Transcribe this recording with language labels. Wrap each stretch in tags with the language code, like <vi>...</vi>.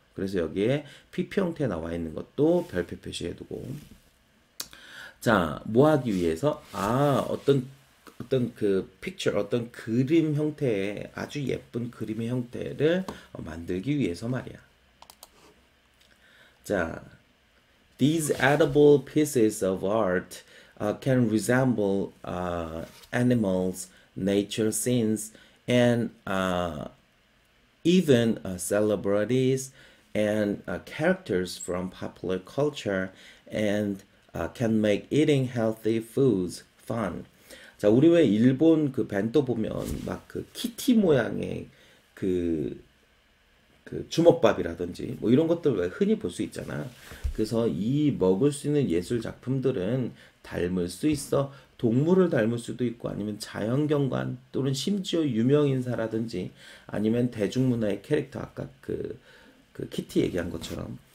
<ko>그래서 여기에 PP 형태 나와 있는 것도 별표 표시해두고. 자, 뭐 하기 위해서? 아, 어떤 그림 형태의 아주 예쁜 그림의 형태를 만들기 위해서 말이야.</ko> <en>자, these edible pieces of art can resemble animals, nature scenes, and even celebrities and characters from popular culture, and can make eating healthy foods fun.</en> <ko>자, 우리 왜 일본 그 벤토 보면 막그 키티 모양의 그 주먹밥이라든지 뭐 이런 것들 왜 흔히 볼수 있잖아. 그래서 이 먹을 수 있는 예술 작품들은 닮을 수 있어. 동물을 닮을 수도 있고 아니면 자연경관 또는 심지어 유명인사라든지 아니면 대중문화의 캐릭터 아까 그 키티 얘기한 것처럼.</ko>